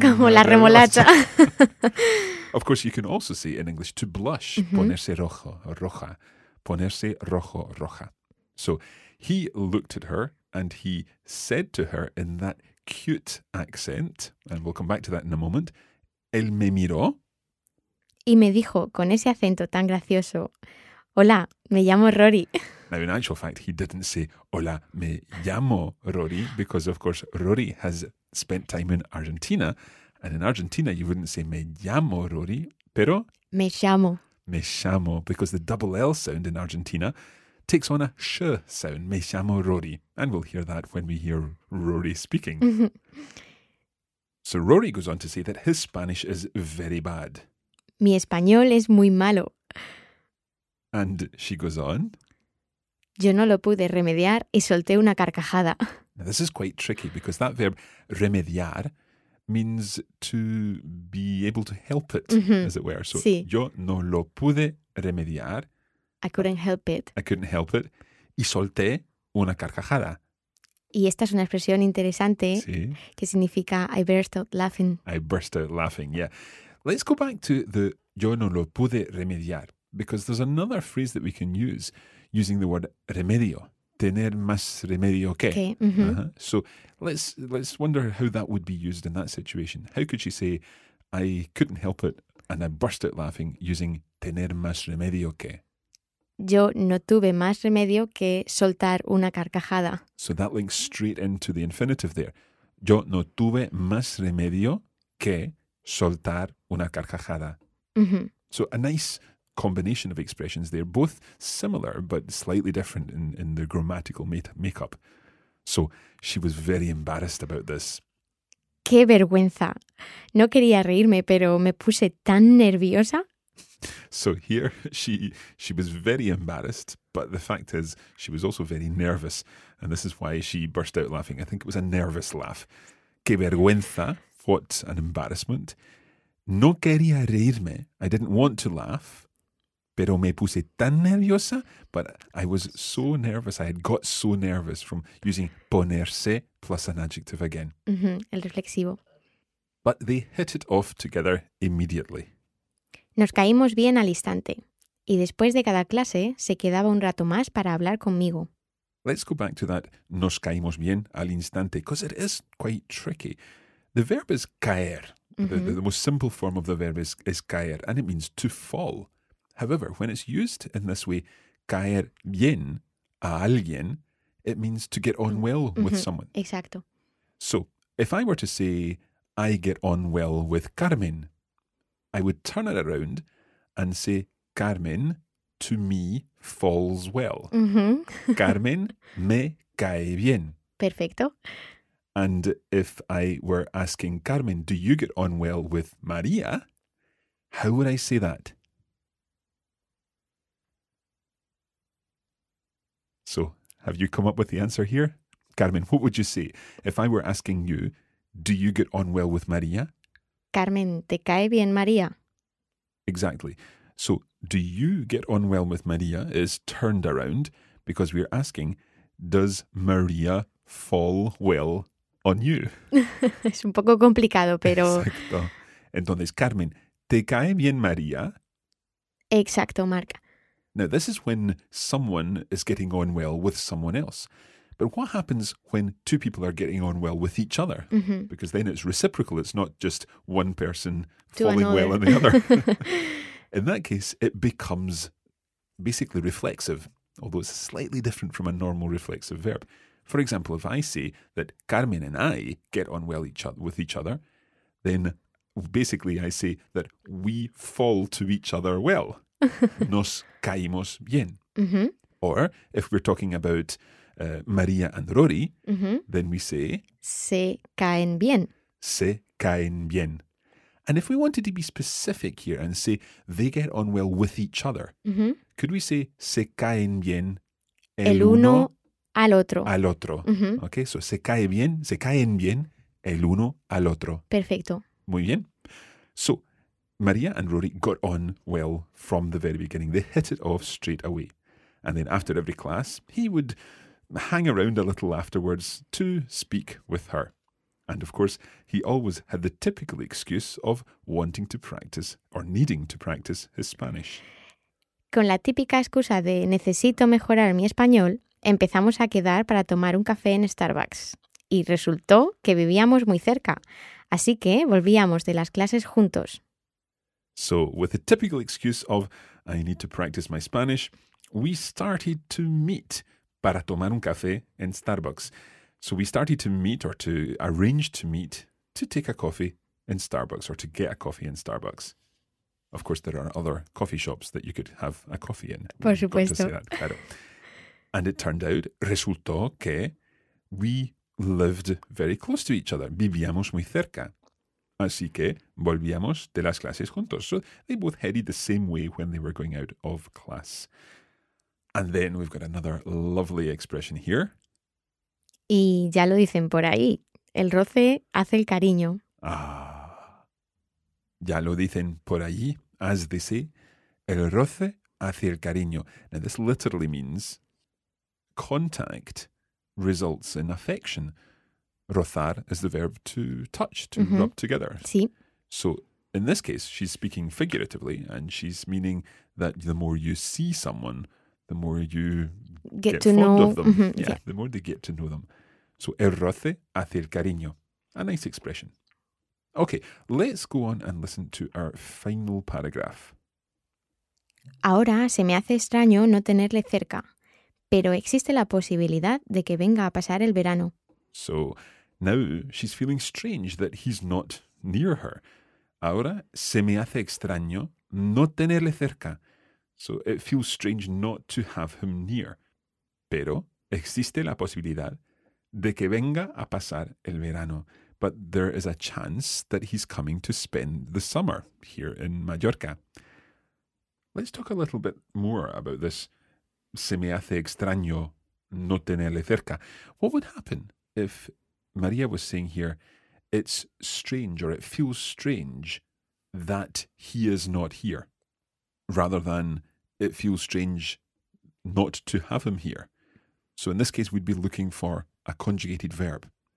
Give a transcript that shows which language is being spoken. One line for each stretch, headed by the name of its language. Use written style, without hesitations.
Spanish: Como la remolacha.
English: Of course, you can also say in English to blush,
Spanish: ponerse rojo, roja. Ponerse rojo, roja.
English: So he looked at her and he said to her in that cute accent, and we'll come back to that in a moment,
Spanish: él me miró. Y me dijo con ese acento tan gracioso... Hola, me llamo Rory.
English: Now, in actual fact, he didn't say,
Spanish: hola, me llamo Rory,
English: because, of course, Rory has spent time in Argentina. And in Argentina, you wouldn't say,
Spanish: me llamo Rory, pero... Me llamo.
English: Me llamo, because the double L sound in Argentina takes on a sh sound,
Spanish: me llamo Rory.
English: And we'll hear that when we hear Rory speaking. So Rory goes on to say that his Spanish is very bad.
Spanish: Mi español es muy malo.
English: And she goes on.
Spanish: Yo no lo pude remediar y solté una carcajada.
English: Now, this is quite tricky because that verb remediar means to be able to help it, as it were. So,
Spanish: sí. Yo no lo pude remediar.
English: I couldn't help it. I couldn't help it.
Spanish: Y solté una carcajada. Y esta es una expresión interesante que significa
English: I burst out laughing. I burst out laughing, yeah. Let's go back to the
Spanish: yo no lo pude remediar,
English: because there's another phrase that we can use using the word remedio.
Spanish: Tener más remedio que.
English: Okay. So let's wonder how that would be used in that situation. How could she say, I couldn't help it and I burst out laughing using
Spanish: tener más remedio que? Yo no tuve más remedio que soltar una carcajada.
English: So that links straight into the infinitive there.
Spanish: Yo no tuve más remedio que soltar una carcajada. Mm-hmm.
English: So a nice combination of expressions there, both similar but slightly different in their grammatical makeup. So she was very embarrassed about this.
Spanish: ¡Qué vergüenza! No quería reírme, pero me puse tan nerviosa.
English: So here she was very embarrassed, but the fact is she was also very nervous, and this is why she burst out laughing. I think it was a nervous laugh.
Spanish: Qué vergüenza,
English: what an embarrassment.
Spanish: No quería reírme,
English: I didn't want to laugh,
Spanish: pero me puse tan nerviosa,
English: but I was so nervous, I had got so nervous from using ponerse plus an adjective again.
Spanish: Mm-hmm, el reflexivo.
English: But they hit it off together immediately.
Spanish: Nos caímos bien al instante. Y después de cada clase, se quedaba un rato más para hablar conmigo.
English: Let's go back to that, nos caímos bien al instante, because it is quite tricky. The verb is caer. Mm-hmm. The most simple form of the verb is caer, and it means to fall. However, when it's used in this way,
Spanish: caer bien a alguien,
English: it means to get on well with someone.
Spanish: Exacto.
English: So, if I were to say, I get on well with Carmen, I would turn it around and say, Carmen, to me, falls well. Mm-hmm.
Spanish: Carmen, me cae bien. Perfecto.
English: And if I were asking Carmen, do you get on well with María? How would I say that? So, have you come up with the answer here? Carmen, what would you say if I were asking you, do you get on well with María?
Spanish: Carmen, ¿te cae bien María?
English: Exactly. So, do you get on well with María is turned around because we're asking, does María fall well on you?
Spanish: Es un poco complicado, pero... Exacto. Entonces, Carmen, ¿te cae bien María? Exacto, Marc.
English: Now, this is when someone is getting on well with someone else. But what happens when two people are getting on well with each other? Mm-hmm. Because then it's reciprocal. It's not just one person falling well on the other. In that case, it becomes basically reflexive, although it's slightly different from a normal reflexive verb. For example, if I say that Carmen and I get on well with each other, then basically I say that we fall to each other well.
Spanish: Nos caímos bien. Mm-hmm.
English: Or if we're talking about María and Rory, then we say...
Spanish: Se caen bien. Se caen bien.
English: And if we wanted to be specific here and say they get on well with each other, could we say
Spanish: se caen bien el uno al otro? Al otro. Mm-hmm.
English: Okay, so
Spanish: se caen bien el uno al otro. Perfecto. Muy bien.
English: So, María and Rory got on well from the very beginning. They hit it off straight away. And then after every class, he would hang around a little afterwards to speak with her. And of course, he always had the typical excuse of wanting to practice or needing to practice his Spanish.
Spanish: Con la típica excusa de necesito mejorar mi español, empezamos a quedar para tomar un café en Starbucks. Y resultó que vivíamos muy cerca. Así que volvíamos de las clases juntos.
English: So, with the typical excuse of I need to practice my Spanish, we started to meet
Spanish: para tomar un café en Starbucks.
English: So we started to meet or to arrange to meet to take a coffee in Starbucks or to get a coffee in Starbucks. Of course, there are other coffee shops that you could have a coffee in.
Spanish: Por supuesto.
English: Got to say that, claro. And it turned out,
Spanish: resultó que
English: we lived very close to each other.
Spanish: Vivíamos muy cerca. Así que volvíamos de las clases juntos.
English: So they both headed the same way when they were going out of class. And then we've got another lovely expression here.
Spanish: Y ya lo dicen por ahí. El roce hace el cariño. Ya lo dicen por allí,
English: as they say,
Spanish: el roce hace el cariño.
English: Now, this literally means contact results in affection. Rozar is the verb to touch, to mm-hmm. rub together.
Spanish: Sí.
English: So, in this case, she's speaking figuratively, and she's meaning that the more you see someone, the more you get to fond know. Of them. Mm-hmm. Yeah, the more they get to know them.
Spanish: So, el roce hace el cariño.
English: A nice expression. Okay, let's go on and listen to our final paragraph.
Spanish: Ahora se me hace extraño no tenerle cerca, pero existe la posibilidad de que venga a pasar el verano.
English: So, now she's feeling strange that he's not near her.
Spanish: Ahora se me hace extraño no tenerle cerca.
English: So, it feels strange not to have him near.
Spanish: Pero existe la posibilidad de que venga a pasar el verano.
English: But there is a chance that he's coming to spend the summer here in Mallorca. Let's talk a little bit more about this.
Spanish: Se me hace extraño no tenerle cerca.
English: What would happen if María was saying here, it's strange or it feels strange that he is not here, rather than it feels strange not to have him here? So in this case, we'd be looking for a conjugated verb.